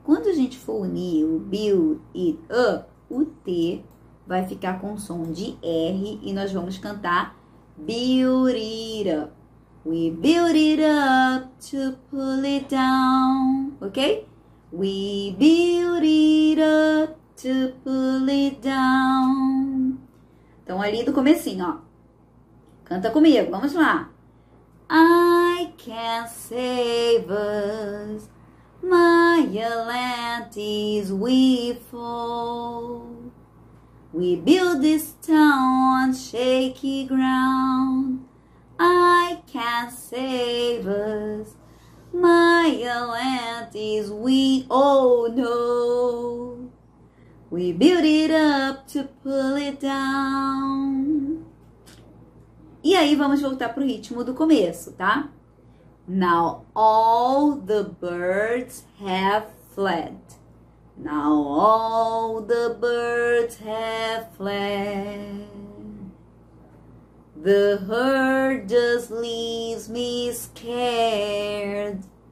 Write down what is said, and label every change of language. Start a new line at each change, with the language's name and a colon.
Portuguese: Quando a gente for unir o
English: build it up,
Portuguese: o T vai ficar com som de R e nós vamos cantar.
English: Build it up. We build it up to pull it down. Ok? We build it up to pull it down.
Portuguese: Então, ali do comecinho, ó. Canta comigo, vamos lá.
English: I can't save us. My Atlantis, we fall. We build this town on shaky ground. I can't save us. My Atlantis, we, oh no. We build it up to pull it down.
Portuguese: E aí vamos voltar pro ritmo do começo, tá?
English: Now all the birds have fled. Now all the birds have fled. The herd just leaves me scared.